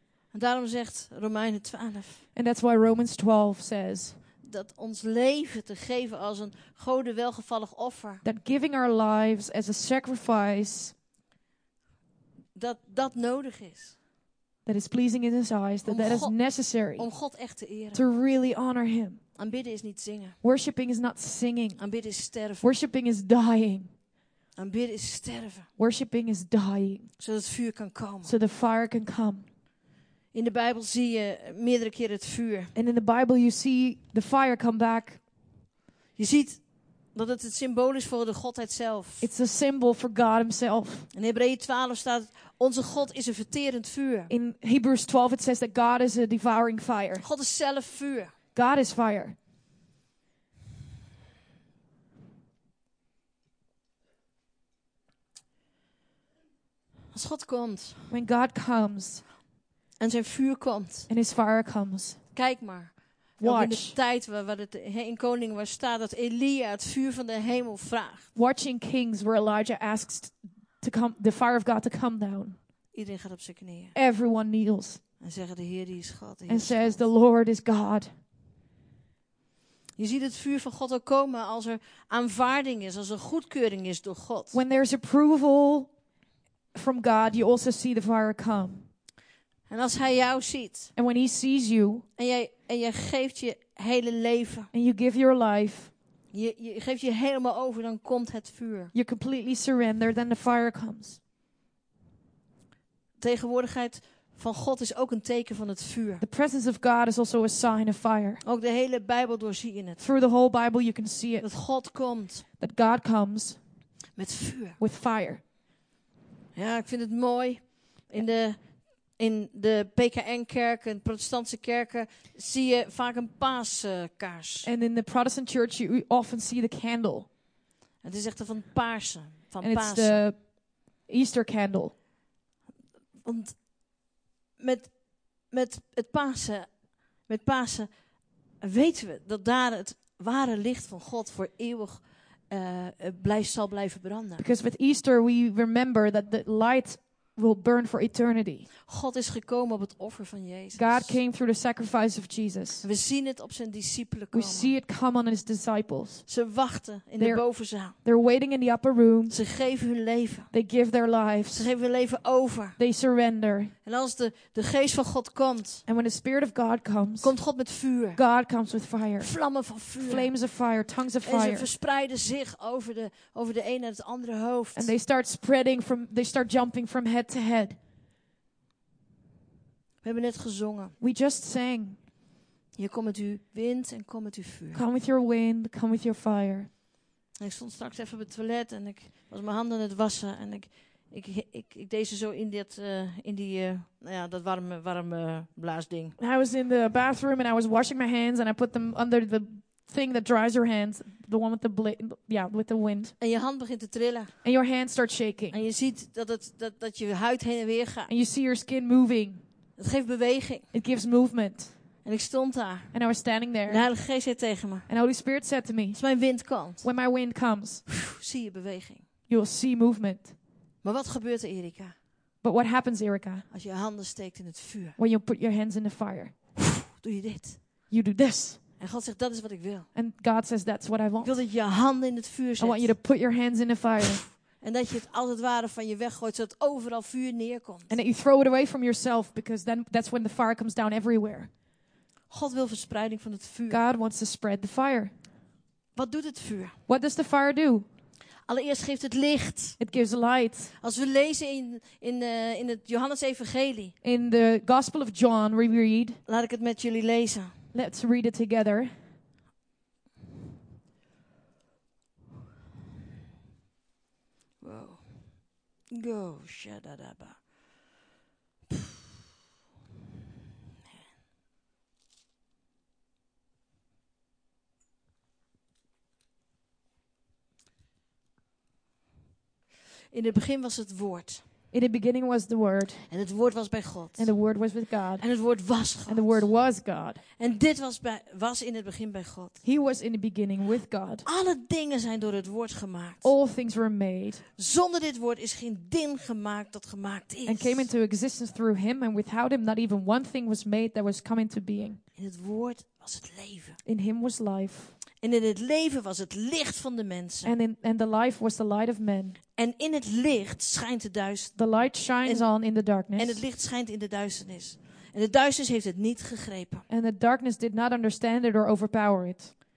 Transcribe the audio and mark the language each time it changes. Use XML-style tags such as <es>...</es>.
<nl>En daarom zegt Romeinen 12.</nl> <en>And that's why Romans 12 says.</en> <nl>Dat ons leven te geven als een Gode welgevallig offer.</nl> <en>That giving our lives as a sacrifice.</en> <nl>Dat nodig is.</nl> <en>that is pleasing in His eyes, that is necessary.</en> <nl>Om God echt te eren.</nl> <en>To really honor Him.</en> <nl>Aanbidden is niet zingen.</nl> <en>Worshiping is not singing.</en> <nl>Aanbidden is sterven.</nl> <en>Worshiping is dying.</en> <nl>Aanbidden is sterven.</nl> <en>Worshiping is dying.</en> <nl>Zodat het vuur kan komen.</nl> <en>So the fire can come.</en> <nl>In de Bijbel zie je meerdere keren het vuur.</nl> <en>And in the Bible you see the fire come back.</en> <nl>Je ziet dat het symbool is voor de Godheid zelf.</nl> <en>It's a symbol for God Himself.</en> <nl>In Hebreeën 12 staat: onze God is een verterend vuur.</nl> <en>In Hebrews 12 it says that God is a devouring fire.</en> <nl>God is zelf vuur.</nl> <en>God is fire.</en> <nl>Als God komt.</nl> <en>When God comes.</en> <nl>En zijn vuur komt.</nl> <en>And His fire comes.</en> <nl>Kijk maar.</nl> <en>Watch.</en> <nl>In de tijd waar het in Koningen waar staat dat Elia het vuur van de hemel vraagt.</nl> <en>Watching Kings where Elijah asks to come, the fire of God to come down.</en> <nl>Iedereen gaat op zijn knieën.</nl> <en>Everyone kneels.</en> <nl>En zeggen de Heer die is God.</nl> <en>En says the Lord is God.</en> <nl>Je ziet het vuur van God ook komen als er aanvaarding is, als er goedkeuring is door God.</nl> <en>When there's approval from God, you also see the fire come.</en> <nl>En als Hij jou ziet.</nl> <en>And when He sees you.</en> <nl>En jij geeft je hele leven.</nl> <en>And you give your life.</en> <nl>Je geeft je helemaal over, dan komt het vuur.</nl> <en>You completely surrender, then the fire comes.</en> <nl>Tegenwoordigheid van God is ook een teken van het vuur.</nl> <en>The presence of God is also a sign of fire.</en> <nl>Ook de hele Bijbel door zie je het.</nl> <en>Through the whole Bible you can see it.</en> <nl>Dat God komt.</nl> <en>That God comes.</en> <nl>Met vuur.</nl> <en>With fire.</en> <nl>Ja, ik vind het mooi. In de PKN-kerken, de protestantse kerken, zie je vaak een paaskaars.</nl> <en>And in the Protestant church you often see the candle.</en> <nl>Het is echt van paarsen. Van</nl> <en>and</en> <nl>paarsen.</nl> <en>It's the Easter candle.</en> <nl>Want met Pasen weten we dat daar het ware licht van God voor eeuwig zal blijven branden.</nl> <en>Because with Easter we remember that the light will burn for eternity.</en> <nl>God is gekomen op het offer van Jezus.</nl> <en>God came through the sacrifice of Jesus.</en> <nl>We zien het op zijn discipelen komen.</nl> <en>We see it come on His disciples.</en> <nl>Ze wachten in de bovenzaal.</nl> <en>They're waiting in the upper room.</en> <nl>Ze geven hun leven.</nl> <en>They give their lives.</en> <nl>Ze geven hun leven over.</nl> <en>They surrender.</en> <nl>En als de geest van God komt.</nl> <en>And when the spirit of God comes.</en> <nl>Komt God met vuur.</nl> <en>God comes with fire.</en> <nl>Vlammen van vuur.</nl> <en>Flames of fire, tongues of fire.</en> <nl>En ze verspreiden zich over de een en het andere hoofd.</nl> <en>And they start spreading from they start jumping from head to head.</en> <nl>We hebben net gezongen.</nl> <en>We just sang.</en> <nl>Je komt met uw wind en komt met uw vuur.</nl> <en>Come with your wind, come with your fire.</en> <nl>En ik stond straks even op het toilet en ik was mijn handen aan het wassen en ik deed ze zo in dat warme blaasding.</nl> <en>I was in the bathroom and I was washing my hands and I put them under the thing that dries your hands, the one with the with the wind.</en> <nl>En je hand begint te trillen.</nl> <en>And your hand starts shaking.</en> <nl>En je ziet dat je huid heen en weer gaat.</nl> <en>And you see your skin moving.</en> <nl>Het geeft beweging.</nl> <en>It gives movement.</en> <nl>En ik stond daar.</nl> <en>And I was standing there.</en> <nl>En de Heilige Geest zei tegen me.</nl> <en>And Holy Spirit said to me.</en> <nl>Als mijn wind komt.</nl> <en>When my wind comes.</en> <nl>Zie je beweging.</nl> <en>You will see movement.</en> <nl>Maar wat gebeurt er, Erika?</nl> <en>But what happens, Erika?</en> <nl>Als je handen steekt in het vuur.</nl> <en>When you put your hands in the fire.</en> <nl>Doe je dit.</nl> <en>You do this.</en> <nl>En God zegt, dat is wat ik wil.</nl> <en>And God says, that's what I want.</en> <nl>Ik wil dat je handen in het vuur zet.</nl> <en>I want you to put your hands in the fire.</en> <nl>En dat je het als het ware van je weggooit, zodat overal vuur neerkomt.</nl> <en>And that you throw it away from yourself, because then that's when the fire comes down everywhere.</en> <nl>God wil verspreiding van het vuur.</nl> <en>God wants to spread the fire.</en> <nl>Wat doet het vuur?</nl> <en>What does the fire do?</en> <nl>Allereerst geeft het licht.</nl> <en>It gives light.</en> <nl>Als we lezen in het Johannes Evangelie.</nl> <en>In the Gospel of John, we read.</en> <nl>Laat ik het met jullie lezen.</nl> <en>Let's read it together. Wow. Go, shadadaba.</en> <nl>In het begin was het woord.</nl> <en>In the beginning was the word.</en> <nl>En het woord was bij God.</nl> <en>And the word was with God.</en> <nl>En het woord was God.</nl> <en>And the word was God.</en> <nl>En dit was in het begin bij God.</nl> <en>He was in the beginning with God.</en> <nl>Alle dingen zijn door het woord gemaakt.</nl> <en>All things were made.</en> <nl>Zonder dit woord is geen ding gemaakt dat gemaakt is.</nl> <en>And came into existence through him, and without him not even one thing was made that was come into being.</en> <nl>In het woord was het leven.</nl> <en>In him was life.</en> <nl>En in het leven was het licht van de mensen.</nl> <en>And in and the life was the light of men.</en> <nl>En in het licht schijnt de duisternis.</nl> <en>The light shines on in the darkness.</en> <nl>En het licht schijnt in de duisternis. En de duisternis heeft het niet gegrepen.</nl> <en>And the darkness did not understand it or overpower it.</en>